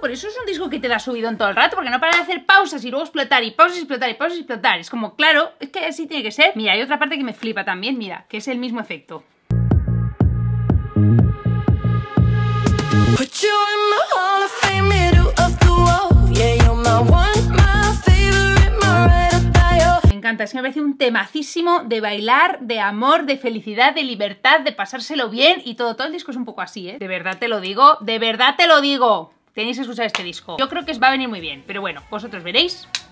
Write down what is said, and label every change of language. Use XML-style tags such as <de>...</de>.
<es>Por eso es un disco que te da subido en todo el rato, porque no para de hacer pausas y luego explotar y pausas y explotar y pausas y explotar. Es como, claro, es que así tiene que ser. Mira, hay otra parte que me flipa también, mira, que es el mismo efecto.</es> <en>Put you in the hall of fame, middle of the wall. Yeah, you're my one, my favorite, my right of bio.</en> <es>Me encanta, es que me parece un temacísimo de bailar, de amor, de felicidad, de libertad, de pasárselo bien y todo. Todo el disco es un poco así, ¿eh? De verdad te lo digo, de verdad te lo digo. Tenéis que escuchar este disco. Yo creo que os va a venir muy bien, pero bueno, vosotros veréis.</es>